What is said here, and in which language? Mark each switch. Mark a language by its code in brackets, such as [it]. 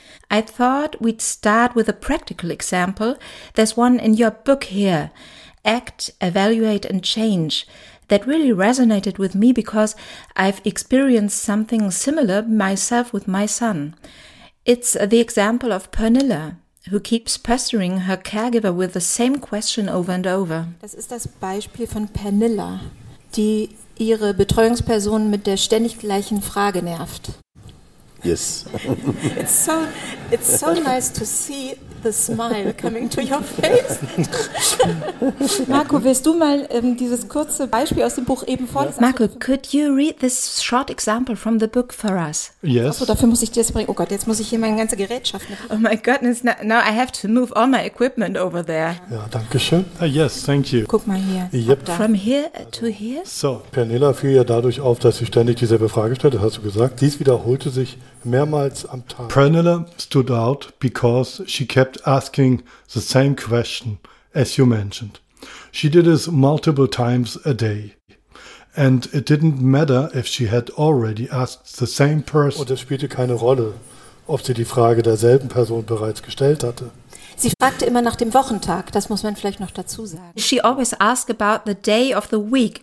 [en] I thought we'd start with a practical example. There's one in your book here, Act, Evaluate and Change, that really resonated with me because I've experienced something similar myself with my son. It's the example of Pernilla, who keeps pestering her caregiver with the same question over and over. [de] Das ist das Beispiel von Pernilla, die ihre Betreuungsperson mit der ständig gleichen Frage nervt. [en] Yes. It's so nice to see the smile coming to your face. [de] Marco, willst du mal dieses kurze Beispiel aus dem Buch eben vorlesen? [en] Marco, could you read this short example from the book for us? Yes. [de] Achso, dafür muss ich dir das bringen. Oh Gott, jetzt muss ich hier meine ganze Gerätschaft mit. [en] Oh my goodness, now I have to move all my equipment over there. [de] Ja, danke schön. [en] Yes, thank you. [de] Guck mal hier. [en] Yep. From here to here? [de] So, Pernilla fiel ja dadurch auf, dass sie ständig dieselbe Frage stellte, hast du gesagt. Dies wiederholte sich mehrmals am Tag. [en] Pernilla stood out because she kept asking the same question as you mentioned. She did this multiple times a day. And it didn't matter if she had already asked the same person. [de] Und es spielte keine Rolle, ob sie die Frage derselben Person bereits gestellt hatte. Sie fragte immer nach dem Wochentag, das muss man vielleicht noch dazu sagen. [en] She always asked about the day of the week.